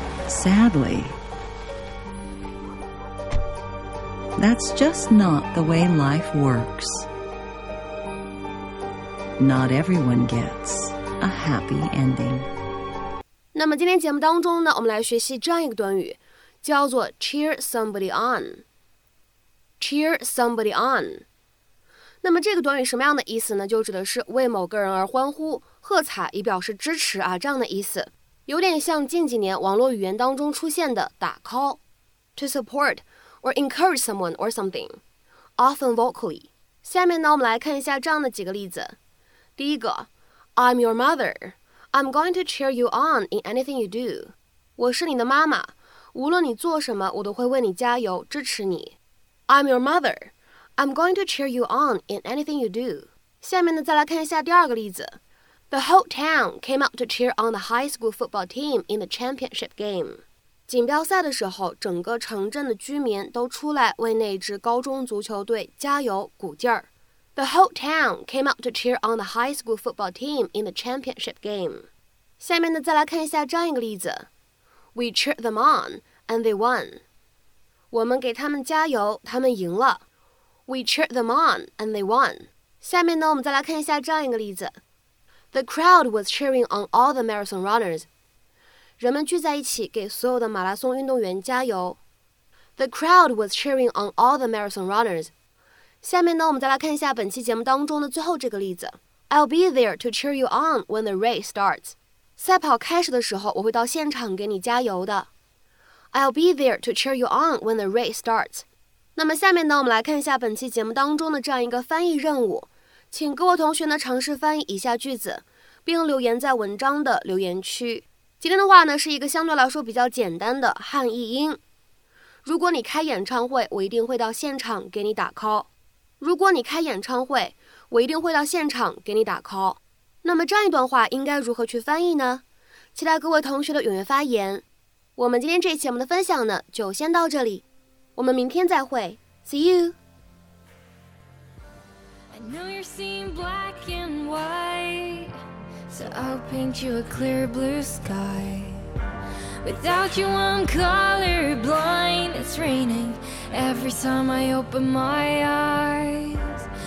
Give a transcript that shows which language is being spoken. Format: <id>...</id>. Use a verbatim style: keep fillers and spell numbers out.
<en>Sadly, that's just not the way life works. Not everyone gets a happy ending.</en> <zh>那么今天节目当中呢，我们来学习这样一个短语，叫做</zh> <en>cheer somebody on. Cheer somebody on.</en> <zh>那么这个短语什么样的意思呢？就指的是为某个人而欢呼、喝彩，以表示支持啊，这样的意思。有点像近几年网络语言当中出现的打 call,</zh> <en>to support or encourage someone or something, often vocally.</en> <zh>下面呢，我们来看一下这样的几个例子。第一个</zh> <en>I'm your mother, I'm going to cheer you on in anything you do.</en> <zh>我是你的妈妈，无论你做什么，我都会为你加油，支持你。</zh> <en>I'm your mother, I'm going to cheer you on in anything you do.</en> <zh>下面呢，再来看一下第二个例子。</zh> <en>The whole town came out to cheer on the high school football team in the championship game.</en> <zh>锦标赛的时候，整个城镇的居民都出来为那支高中足球队加油鼓劲儿。</zh> <en>The whole town came out to cheer on the high school football team in the championship game.</en> <zh>下面呢，再来看一下这样一个例子。</zh> <en>We cheered them on, and they won.</en> <zh>我们给他们加油，他们赢了。</zh> <en>We cheered them on, and they won.</en> <zh>下面呢，我们再来看一下这样一个例子。 The crowd was cheering on all the marathon runners. 人们聚在一起给所有的马拉松运动员加油。 The crowd was cheering on all the marathon runners. 下面呢，我们再来看一下本期节目当中的最后这个例子。</zh> <en>I'll be there to cheer you on when the race starts.</en> <zh>赛跑开始的时候，我会到现场给你加油的。</zh> <en>I'll be there to cheer you on when the race starts.</en> <zh>那么下面呢，我们来看一下本期节目当中的这样一个翻译任务，请各位同学呢尝试翻译以下句子，并留言在文章的留言区。今天的话呢，是一个相对来说比较简单的汉译英。如果你开演唱会，我一定会到现场给你打 call。如果你开演唱会，我一定会到现场给你打 call。那么这样一段话应该如何去翻译呢？期待各位同学的踊跃发言。我们今天这一期节目的分享呢，就先到这里，我们明天再会 ，</zh> <en>See you。 I know you're seeing black and white, so I'll paint you a clear blue sky. Without you, I'm colorblind. It's raining every time I open my eyes.</en>